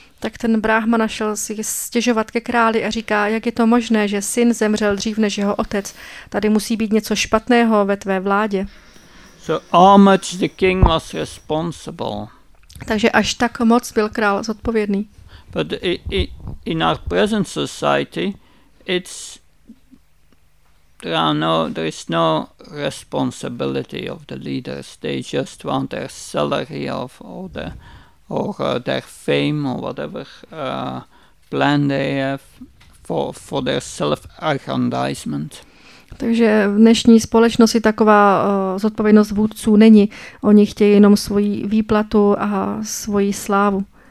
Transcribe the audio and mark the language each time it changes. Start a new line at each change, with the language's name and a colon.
Czech: Tak ten Brahmana šel si stěžovat ke králi a říká, jak je to možné, že syn zemřel dřív než jeho otec. Tady musí být něco špatného ve tvé vládě.
English: So how much the king was responsible.
Czech: Takže až tak moc byl král zodpovědný.
English: But in our present society, there is no responsibility of the leaders. They just want their salary or their fame or whatever plan they have for their self-aggrandizement.
Czech: Takže v dnešní společnosti taková zodpovědnost vůdců není. Oni chtějí jenom svoji výplatu a svoji slávu.